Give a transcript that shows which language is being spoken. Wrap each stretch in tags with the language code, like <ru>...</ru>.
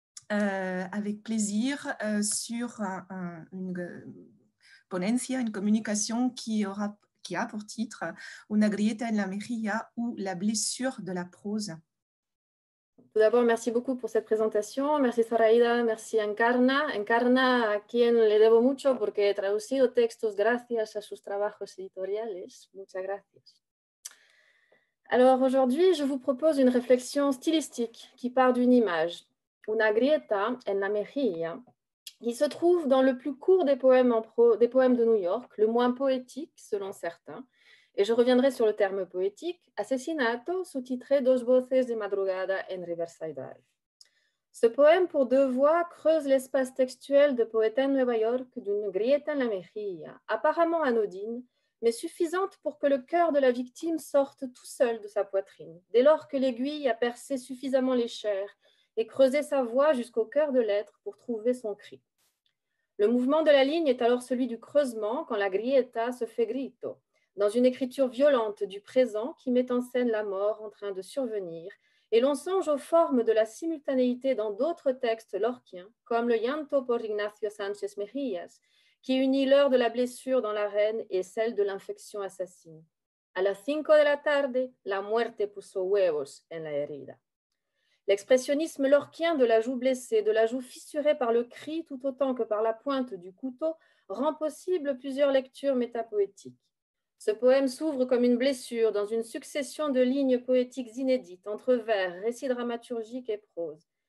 <fr>Avec plaisir sur une ponencia, une communication qui a pour titre Una grieta en la mejilla ou la blessure de la prose. Tout d'abord, merci beaucoup pour cette présentation. Merci Zoraida, merci Encarna.</fr> <es>Encarna, a quien le debo mucho porque he traducido textos gracias a sus trabajos editoriales. Muchas gracias.</es> <fr>Alors aujourd'hui, je vous propose une réflexion stylistique qui part d'une image. Una grieta en la mejilla, qui se trouve dans le plus court des poèmes de New York, le moins poétique selon certains, et je reviendrai sur le terme poétique, Asesinato, sous-titré Dos voces de madrugada en Riverside Drive. Ce poème pour deux voix creuse l'espace textuel de Poeta en Nueva York d'une grieta en la mejilla, apparemment anodine, mais suffisante pour que le cœur de la victime sorte tout seul de sa poitrine, dès lors que l'aiguille a percé suffisamment les chairs et creuser sa voix jusqu'au cœur de l'être pour trouver son cri. Le mouvement de la ligne est alors celui du creusement quand la grieta se fait grito, dans une écriture violente du présent qui met en scène la mort en train de survenir, et l'on songe aux formes de la simultanéité dans d'autres textes lorquiens, comme le Llanto por Ignacio Sánchez Mejías, qui unit l'heure de la blessure dans l'arène et celle de l'infection assassine.</fr> <es>A las cinco de la tarde, la muerte puso huevos en la herida.</es> <fr>L'expressionnisme lorquien de la joue blessée, de la joue fissurée par le cri tout autant que par la pointe du couteau, rend possible plusieurs lectures métapoétiques. Ce poème s'ouvre comme une blessure dans une succession de lignes poétiques inédites, entre vers, récits dramaturgiques et prose.</fr>